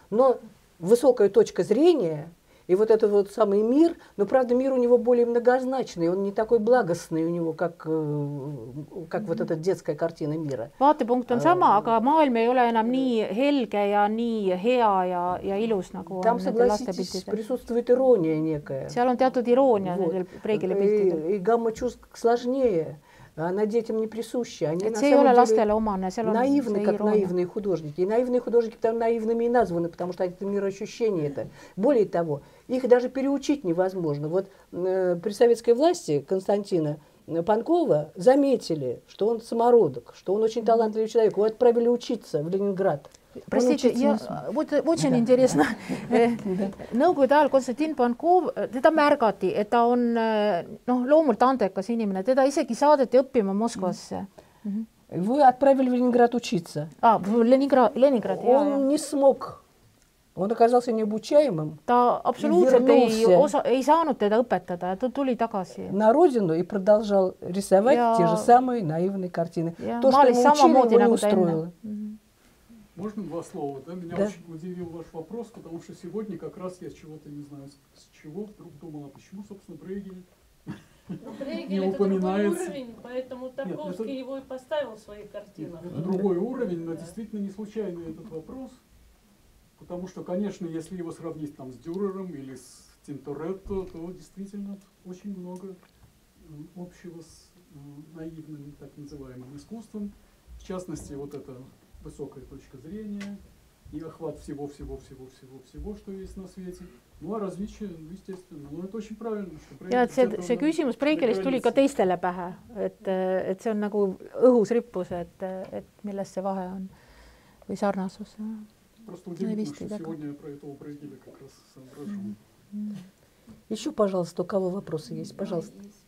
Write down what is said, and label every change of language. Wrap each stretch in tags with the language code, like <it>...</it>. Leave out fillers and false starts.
<ru>Но высокая точка зрения. И вот этот вот самый мир, но правда мир у него более многозначный, он не такой благостный у него, как вот эта детская картина мира.</ru> <et>Vaatepunkt on sama, aga maailm ei ole enam nii helge ja nii hea ja ilus nagu.</et> <ru>Там, согласитесь, присутствует ирония некая.</ru> <et>Seal on teatud ирония nendel Брегеля piltidel.</et> <ru>И гамма чувств сложнее. Она детям не присуща. Они на самом деле</ru> <et>ластеле омане, сел он</et> <ru>наивны, как наивные художники. И наивные художники там наивными и названы, потому что это мироощущение это. Более того, их даже переучить невозможно. Вот при советской власти Константина Панкова заметили, что он самородок, что он очень талантливый человек. Его отправили учиться в Ленинград. Простите, я вот очень интересно.</ru> <et>Nõukogude ajal Konstantin Pankov, teda märgati, et ta on loomult andekas inimene, teda isegi saadeti õppima Moskvasse.</et> <ru>Вы отправили в Ленинград учиться. А, в Ленинград. Он не смог. Он оказался необучаемым.</ru> <et>Ta absoluutselt ei saanud teda õpetada, ta tuli tagasi.</et> <ru>На родину и продолжал рисовать те же самые наивные картины. То, что ему учили, его не устроило. Можно два слова? Да? Меня очень удивил ваш вопрос, потому что сегодня как раз я чего-то не знаю, с чего вдруг думала, почему, собственно, Брегель не упоминается. Брегель – это другой уровень, поэтому Тарковский его и поставил в своей картинах. Это другой уровень, но действительно не случайный этот вопрос, потому что, конечно, если его сравнить там с Дюрером или с Тинторетто, то действительно очень много общего с наивным, так называемым, искусством. В частности, вот это... высокая точка зрения и охват всего, что есть на свете. Ну а различие, ну, естественно, ну это очень правильно, что Брегель.</ru> <et>Ja, see küsimus Брегелist tuli ka teistele pähe, et see on nagu õhus rippus, et milles see vahe on või sarnasus.</et> <ru>Просто удивительно, что сегодня я про этого Брегеля как раз соображу. Еще, пожалуйста, у кого вопросы есть, пожалуйста.</ru>